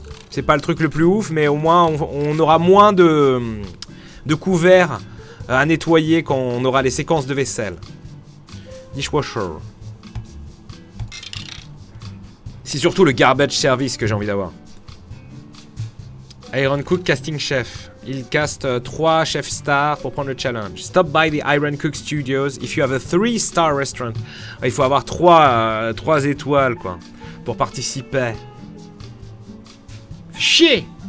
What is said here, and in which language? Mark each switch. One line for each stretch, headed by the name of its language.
French: C'est pas le truc le plus ouf, mais au moins, on aura moins de couverts à nettoyer quand on aura les séquences de vaisselle. Dishwasher. C'est surtout le garbage service que j'ai envie d'avoir. Iron Cook Casting Chef. Il caste 3 chefs stars pour prendre le challenge.
English: Stop by the Iron Cook Studios if you have a 3-star restaurant.
French: Il faut avoir 3 étoiles quoi pour participer. Chier!